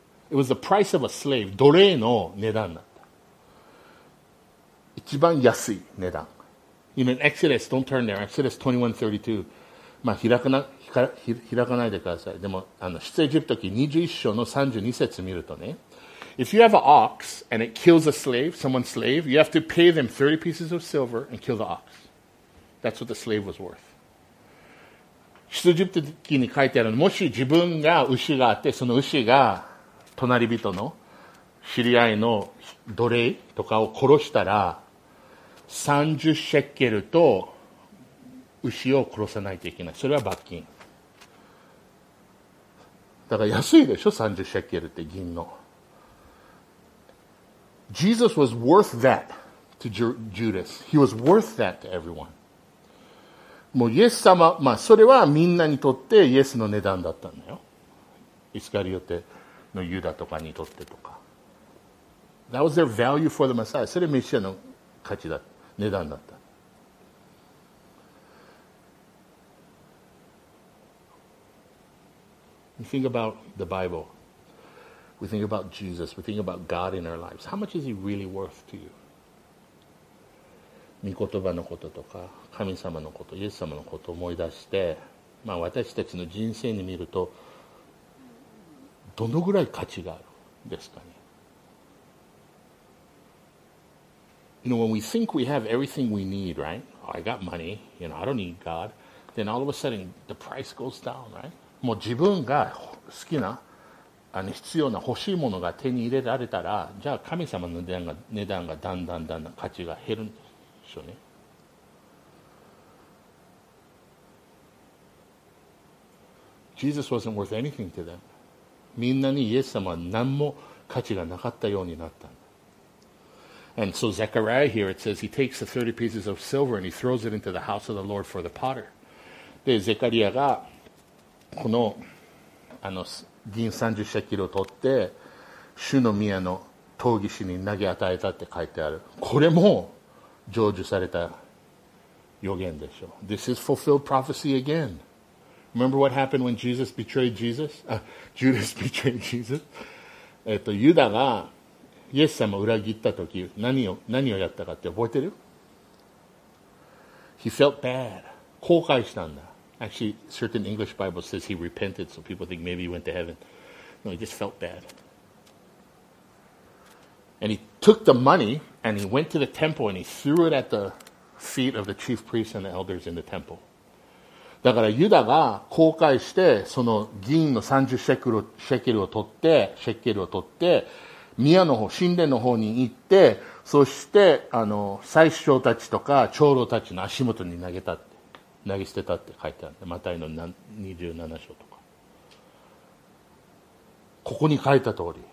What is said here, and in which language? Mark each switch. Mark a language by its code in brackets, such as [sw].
[en] It was the price of a slave, [ja] 奴隷の値段だった。一番安い値段。 [en] In an Exodus, don't turn there, Exodus 21:32. [ja] まあ、開かないでください。でも、出エジプト記21章の32節見るとね。 [en] If you have an ox and it kills a slave, someone's slave, you have to pay them 30 pieces of silver and kill the ox. That's what the slave was worth. [ja] 出エジプト記に書いてあるの、もし自分が牛があって、その牛が隣人の知り合いの奴隷とかを殺したら、30シェッケルと、牛を殺さないといけない。それは罰金。だから安いでしょ、30シェッケルって銀の。 [en] Jesus was worth that to Judas. He was worth that to everyone. [ja] もうイエス様、まあ、それはみんなにとってイエスの値段だったんだよ。イスカリオテのユダとかにとってとか。 [en] That was their value for the Messiah. [ja] それはメシアの価値だ、値段だった。 [en] We think about the Bible. We think about Jesus. We think about God in our lives. How much is he really worth to you? [ja] 御言葉のこととか神様のこと、イエス様のことを思い出して、まあ、私たちの人生に見るとどのぐらい価値があるんですかね。 [en] You know, when we think we have everything we need, right? I got money, you know, I don't need God. Then all of a sudden, the price goes down, right? [ja] もう自分が好きな、あの必要な欲しいものが手に入れられたら、じゃあ神様の値段がだんだんだんだん価値が減るんです。 [en] Jesus wasn't worth anything to them. [ja] みんなにイエス様は何も価値がなかったようになった。 [en] And so Zechariah here, it says he takes the 30 pieces of silver and he throws it into the house of the Lord for the potter. [ja] で、ゼカリアがこの、あの銀30シェキルを取って主の宮の闘技師に投げ与えたって書いてある。これも成就された予言でしょう。 [en] This is fulfilled prophecy again. Remember what happened when Jesus betrayed Jesus? Judas betrayed Jesus? [ja] ユダがイエス様を裏切った時、何をやったかって覚えてる？ [en] He felt bad. [ja] 後悔したんだ。 [en] Actually, certain English Bible says he repented, so people think maybe he went to heaven. No, he just felt bad. And he took the money and he went to the temple and he threw it at the feet of the chief priests and the elders in the temple. [ja] だからユダが後悔してその銀の30シェケルを取って宮の方、神殿の方に行って、そしてあの祭司長たちとか長老たちの足元に投げたって、投げ捨てたって書いてある。マタイの27章とか、ここに書いた通り、